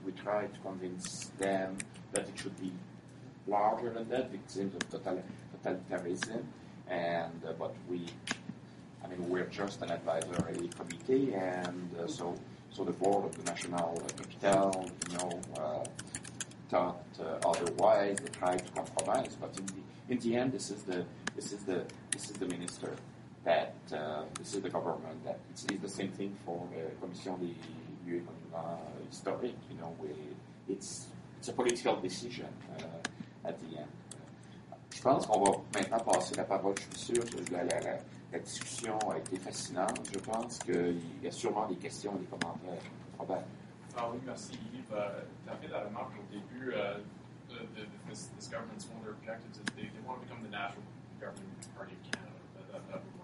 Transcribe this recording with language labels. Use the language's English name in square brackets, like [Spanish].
[English] We tried to convince them that it should be larger than that, victims of totalitarianism, but we're just an advisory committee, and so the board of the National Capital, thought otherwise. They tried to compromise, but in the end, this is the minister that this is the government that it's the same thing for Commission des lieux historiques. It's a political decision at the end. [French] Je pense qu'on va maintenant passer la parole. Je suis sûr que la discussion a été fascinante. Je pense qu'il y a sûrement des questions, des commentaires. Robert. Ah oui, merci Yves. Tu as fait la remarque au début. [English] This government's one of their objectives is they want to become the national government party of Canada.